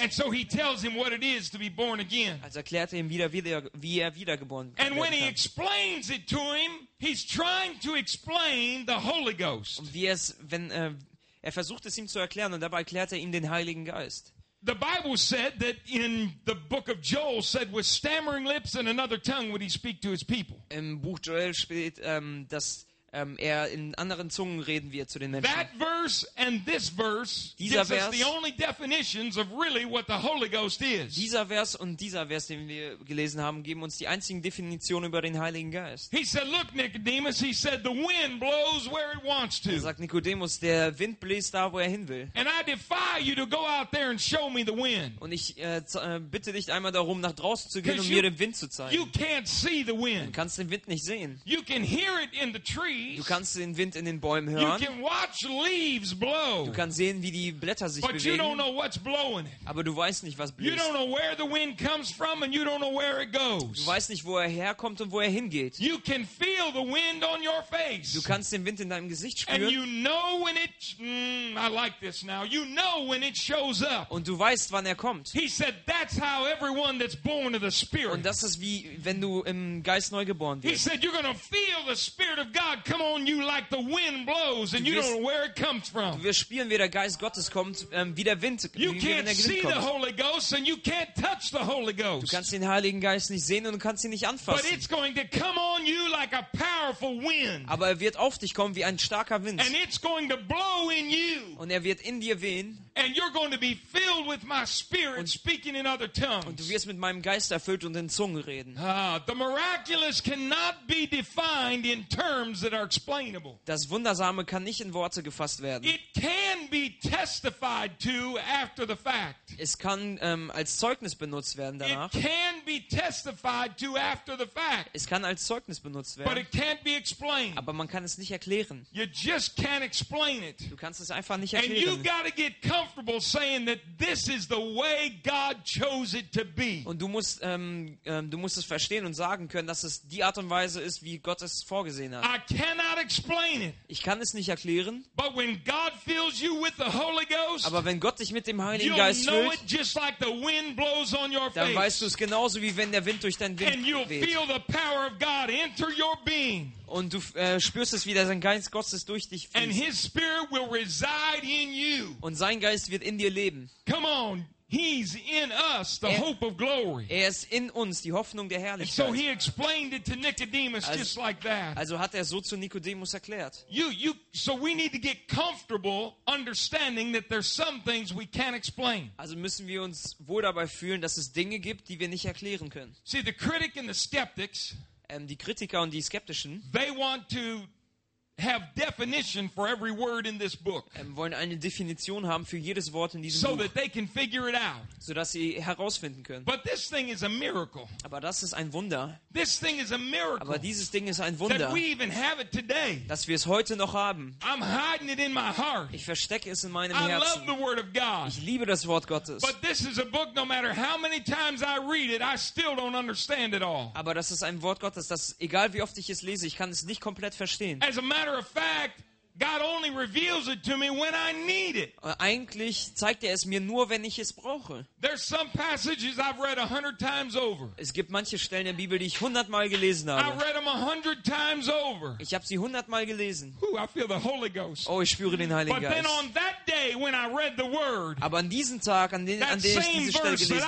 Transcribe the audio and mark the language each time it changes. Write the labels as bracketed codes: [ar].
[en] And so he tells him what it is to be born again. [de] Also erklärt er ihm wieder wie er wiedergeboren werden [en] kann. And when he explains it to him, he's trying to explain the Holy Ghost. [de] Und wie er versucht es ihm zu erklären und dabei erklärt er ihm den Heiligen Geist. [en] The Bible said that in the book of Joel said with stammering lips and another tongue would he speak to his people. [de] Im Buch Joel steht, dass er in anderen Zungen reden wird zu den Menschen. [en] That verse and this verse [de] dieser [en] gives [de] Vers, [en] us the only definitions of really what the Holy Ghost is. [de] Dieser Vers, den wir gelesen haben, geben uns die einzigen Definitionen über den Heiligen Geist. [en] He said, "Look, Nicodemus." He said, "The wind blows where it wants to." [de] Er sagt Nikodemus, der Wind bläst da, wo er hin will. [en] And I defy you to go out there and show me the wind. [de] Und ich bitte dich einmal darum, nach draußen zu gehen, um mir den Wind zu zeigen. [en] You can't see the wind. [de] Du kannst den Wind nicht sehen. [en] You can hear it in the tree. [de] Du kannst den Wind in den Bäumen hören. [en] You can watch leaves blow. [de] Du kannst sehen, wie die Blätter sich [en] but [de] bewegen. [en] You don't know what's blowing. [de] Aber du weißt nicht, was bläst. [en] You don't know where the wind comes from and you don't know where it goes. [de] Du weißt nicht, wo er herkommt und wo er hingeht. [en] You can feel the wind on your face. [de] Du kannst den Wind in deinem Gesicht spüren. [en] And you know when it I like this now. You know when it shows up. [de] Und du weißt, wann er kommt. [en] He said that's how everyone that's born of the Spirit. [de] Und das ist wie wenn du im Geist neu geboren wirst. [en] He said you're going to feel the Spirit of God. Come on, you like the wind blows, and you don't know where it comes from. [de] Wir spielen, wie der Geist Gottes kommt, wie der Wind. [en] You can't see the Holy Ghost, and you can't touch the Holy Ghost. [de] Du kannst den Heiligen Geist nicht sehen und du kannst ihn nicht anfassen. [en] But it's going to come on you like a powerful wind. [de] Aber er wird auf dich kommen wie ein starker Wind. [en] And it's going to blow in you. [de] Und er wird in dir wehen. [en] And you're going to be filled with my spirit, speaking in other tongues. [de] Und du wirst mit meinem Geist erfüllt und in Zungen reden. [en] The miraculous cannot be defined in terms that are are explainable. [de] Das Wundersame kann nicht in Worte gefasst werden. [en] It can be testified to after the fact. [de] Es kann als Zeugnis benutzt werden danach. [en] It can be testified to after the fact. [de] Es kann als Zeugnis benutzt werden. [en] But it can't be explained. [de] Aber man kann es nicht erklären. [en] You just can't explain it. [de] Du kannst es einfach nicht erklären. [en] And you've got to get comfortable saying that this is the way God chose it to be. [de] Und du musst es verstehen und sagen können, dass es die Art und Weise ist, wie Gott es vorgesehen hat. [en] I cannot explain it. [de] Ich kann es nicht erklären. [en] But when God fills you with the Holy Ghost, [de] aber wenn Gott dich mit dem Heiligen Geist [en] füllt, you'll know it just like the wind blows on your face. [de] Dann weißt du es genauso, wie wenn der Wind durch dein Wind weht. [en] And you'll feel the power of God enter your being. [de] Und du spürst es, wie der Geist Gottes durch dich fließt. [en] And his spirit will reside in you. [de] Und sein Geist wird in dir leben. [en] Come on. He's in us, the hope of glory. [de] Er ist in uns, die Hoffnung der Herrlichkeit. [en] So he explained it to Nicodemus just like that. [de] Also hat er so zu Nikodemus erklärt. [en] So we need to get comfortable understanding that there's some things we can't explain. [de] Also müssen wir uns wohl dabei fühlen, dass es Dinge gibt, die wir nicht erklären können. [en] See, the critic and the skeptics. [de] Die Kritiker und die Skeptischen. [en] They want to have definition for every word in this book. [de] Wollen eine Definition haben für jedes Wort in diesem [en] so [de] Buch. [en] That they can figure it out. [de] So dass sie herausfinden können. [en] But this thing is a miracle. [de] Aber das ist ein Wunder. [en] This thing is a miracle. [de] Aber dieses Ding ist ein Wunder. [en] That we even have it today. [de] Dass wir es heute noch haben. [en] I'm hiding it in my heart. [de] Ich verstecke es in meinem [en] I [de] Herzen. [en] I love the word of God. [de] Ich liebe das Wort Gottes. [en] But this is a book, no matter how many times I read it, I still don't understand it all. [de] Aber das ist ein Wort Gottes, das egal wie oft ich es lese, ich kann es nicht komplett verstehen. [en] As a matter of fact, God only reveals it to me when I need it. [de] Eigentlich zeigt er es mir nur, wenn ich es brauche. [en] There's some passages I've read 100 times over. [de] Es gibt manche Stellen in der Bibel, die ich 100 Mal gelesen habe. [en] I've read them 100 times over. [de] Ich habe sie 100 Mal gelesen. [en] Ooh, I feel the Holy Ghost. [de] Oh, ich spüre den Heiligen Geist. [en] But then on that day when I read the word. [de] Aber an diesem Tag, an dem ich diese Stelle gelesen